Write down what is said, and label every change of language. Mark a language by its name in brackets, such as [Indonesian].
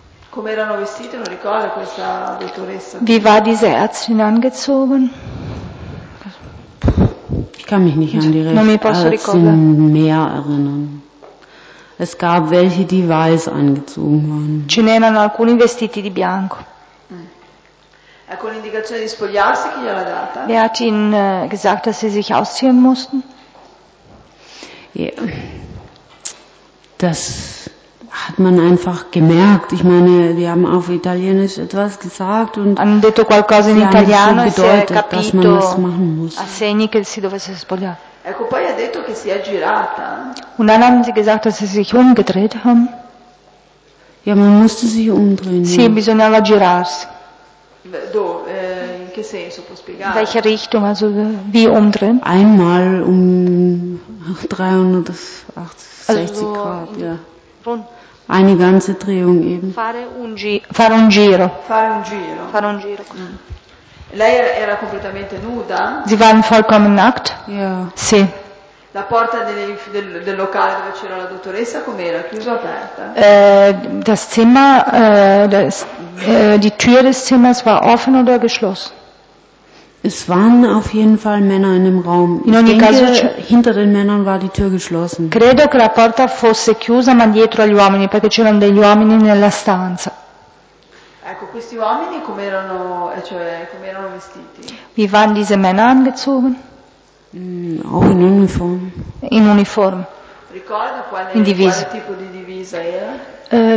[Italian] Come erano vestite, non ricordo questa dottoressa. [German] Wie war diese Ärztin angezogen? Ich kann mich nicht an die Ärztin mehr erinnern. Es gab welche, die weiß angezogen waren. [Italian] Ce n'erano alcuni vestiti di bianco. Ecco l'indicazione di spogliarsi, chi gliel'ha data? [German] Wer hat ihnen gesagt, dass sie sich ausziehen mussten? Ja. Das hat man einfach gemerkt. Ich meine, die haben auf Italienisch etwas gesagt und [Italian] hanno detto qualcosa in italiano, [German] bedeutet, [Italian] capito, [German] dass man das machen muss. [Italian] A segni che si dovesse spogliare. Ecco, poi ha detto che si è girata. [German] Und dann haben sie gesagt, dass sie sich umgedreht haben. Ja, man musste sich umdrehen. [Italian] Sì, bisognava girarsi. Dove? In che senso può spiegare? [German] In welche Richtung, also wie umdrehen? Einmal um 360 also, Grad, in, ja. Eine ganze Drehung eben. [Italian] Fare un giro. Fare un giro. Lei era completamente nuda? [German] Sie waren vollkommen nackt? Ja. [Italian] Sì. La porta del locale dove c'era la dottoressa com'era? Chiusa o aperta? [German] Das Zimmer, die Tür des Zimmers war offen oder geschlossen? Es waren auf jeden Fall Männer in dem Raum. [Italian] In ogni caso, [German] hinter den Männern war die Tür geschlossen. [Italian] Credo che la porta fosse chiusa, ma dietro agli uomini, perché c'erano degli uomini nella stanza. Ecco, questi uomini come erano, cioè, come erano vestiti? [German] Wie waren diese Männer angezogen? Auch in Uniform. In Uniform. [Italian] Ricorda quale tipo di divisa era?